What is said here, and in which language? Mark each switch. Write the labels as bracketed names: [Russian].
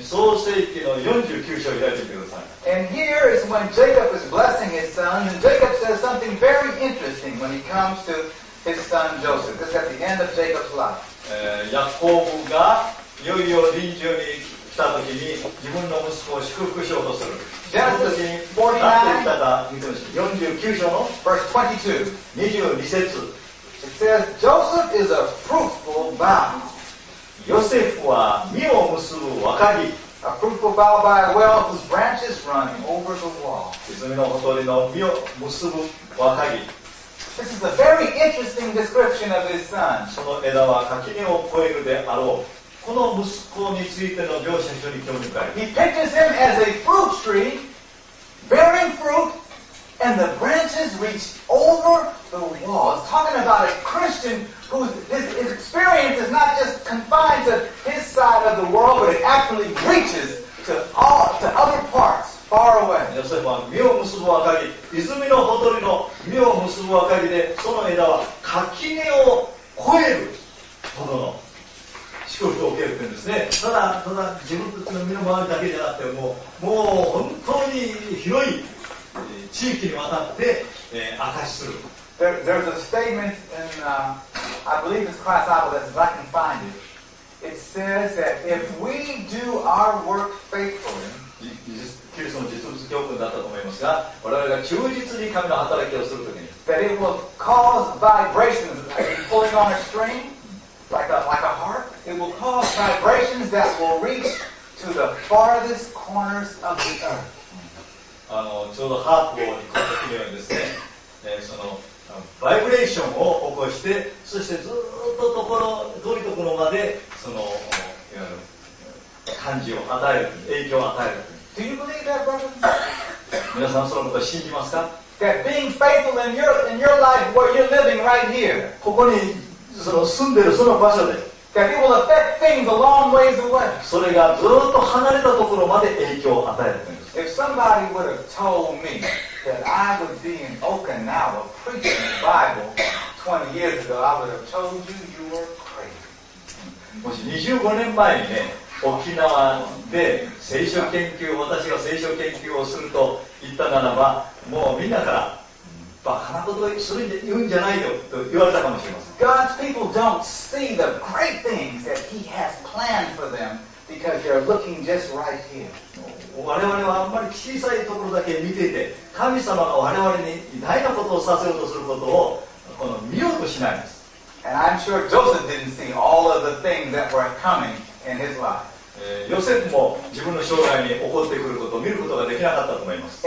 [Japanese] 創世記の49章を開いてください。 [English] And here is when Jacob is blessing his son. And Jacob says something very interesting when he comes to his son Joseph. This is at the end of Jacob's life. [Japanese] ヤコブがいよいよ臨終に来た時に自分の息子を祝福しようとする。 [English] Genesis 49:22. It says, Joseph is a fruitful vow. [Japanese] Joseph は実を結ぶ若木。 [English] A fruitful vow by a well whose branches run over the wall. [Japanese] 泉のほとりの実を結ぶ若木。 [English] This is a very interesting description of his son. [Japanese] その枝は垣根を越えるであろう。この息子についての描写非常に興味深い。 [English] He pictures him as a fruit tree, bearing fruit, and the branches reach over the wall. He's talking about a Christian whose experience is not just confined to his side of the world, but it actually reaches to other parts. Far away. [Japanese] ヨセフは実を結ぶ若木、泉のほとりの実を結ぶ若木で、その枝は垣根を越えるほどの祝福を受けるんですね。ただ自分たちの身の回りだけじゃなくて、もう本当に広い地域にわたって、明かしする。 [English] There's a statement in、I believe this class out of this, if I can find it. It says that if we do our work faithfully, [Japanese] キリストの実物教訓だったと思いますが、我々が忠実に神の働きをするときに、 [English] That it will cause vibrations, pulling on a string, like a harp. It will cause vibrations that will reach to the farthest corners of the earth. [Japanese] ちょうどハープを引っ張るようにですね、その、バイブレーションを起こして、そしてずっとところ、遠いところまで、その、いわゆる感じを与える、影響を与える。 [English] Do you believe that, brothers? [Japanese] 皆さんそのことを信じますか? [English] That being faithful in your life where you're living right here. [Japanese] ここにその住んでるその場所で。 [English] That it will affect things a long ways away. [Japanese] それがずっと離れたところまで影響を与えるんです。 [English] If somebody would have told me that I would be in Okinawa preaching the Bible 20 years ago, I would have told you you were crazy. [Japanese] もし25年前にね、沖縄で聖書研究を私が聖書研究をすると言ったならば、もうみんなからバカなことをそれで言うんじゃないよと言われたかもしれません。 [English] God's people don't see the great things that He has planned for them because they're looking just right here. [Japanese] 我々はあんまり小さいところだけ見ていて、神様が我々に偉大なことをさせようとすることをこの見ようとしないんです。 [English] And I'm sure Joseph didn't see all of the things that were coming. In his life. [Japanese] ヨセフも自分の将来に起こってくることを見ることができなかったと思います。